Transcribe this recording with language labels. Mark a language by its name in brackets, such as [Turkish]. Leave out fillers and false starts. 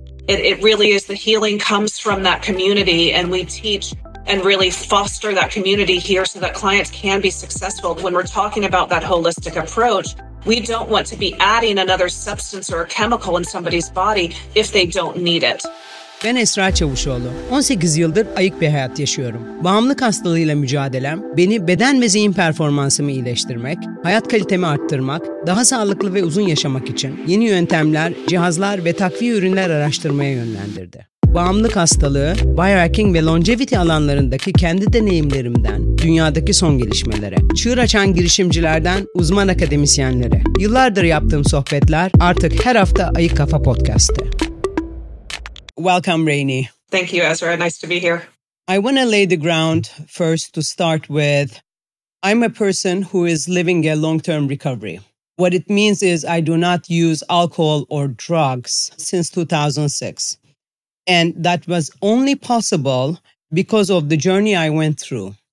[English] It really is, the healing comes from that community, and we teach and really foster that community here so that clients can be successful. When we're talking about that holistic approach, we don't want to be adding another substance or a chemical in somebody's body if they don't need it. [Turkish] Ben Esra Çavuşoğlu. 18 yıldır ayık bir hayat yaşıyorum. Bağımlılık hastalığıyla mücadelem, beni beden ve zihin performansımı iyileştirmek, hayat kalitemi arttırmak, daha sağlıklı ve uzun yaşamak için yeni yöntemler, cihazlar ve takviye ürünler araştırmaya yönlendirdi. Bağımlılık hastalığı, biohacking ve longevity alanlarındaki kendi deneyimlerimden, dünyadaki son gelişmelere, çığır açan girişimcilerden uzman akademisyenlere, yıllardır yaptığım sohbetler artık her hafta Ayık Kafa Podcast'te. [English] Welcome, Rainey. Thank you, Ezra. Nice to be here. I want to lay the ground first to start with. I'm a person who is living a long-term recovery. What it means is I do not use alcohol or drugs since 2006. And that was only possible because of the journey I went through.